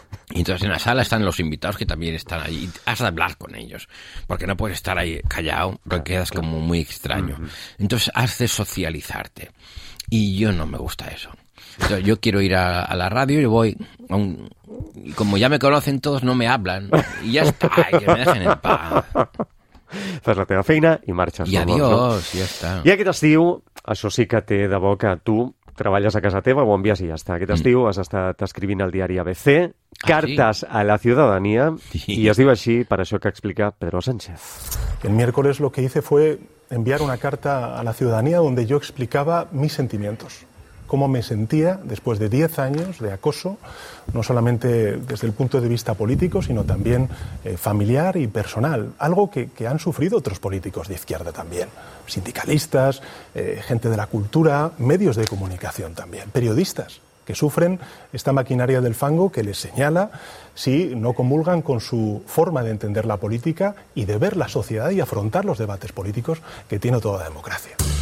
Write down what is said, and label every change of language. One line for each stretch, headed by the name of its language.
Spanish: Y entonces en la sala están los invitados que también están allí. Has de hablar con ellos, porque no puedes estar ahí callado, porque quedas como muy extraño. Entonces has de socializarte. Y yo no me gusta eso. Entonces, yo quiero ir a la radio, yo voy... Y como ya me conocen todos, no me hablan. Y ya está, y que me dejen en paz.
Catalan: Fas la teva feina i marxes. I adiós, ja està. I aquest estiu, això sí que té de bo que tu treballes a casa teva, ho envies i ja està. Aquest estiu has estat escrivint al diari ABC, cartes a la ciutadania, i es diu així per això que explica Pedro Sánchez.
Spanish: El miércoles lo que hice fue enviar una carta a la ciudadanía donde yo explicaba mis sentimientos. Cómo me sentía después de 10 años de acoso, no solamente desde el punto de vista político, sino también familiar y personal. Algo que han sufrido otros políticos de izquierda también. Sindicalistas, gente de la cultura, medios de comunicación también, periodistas que sufren esta maquinaria del fango que les señala si no comulgan con su forma de entender la política y de ver la sociedad y afrontar los debates políticos que tiene toda democracia.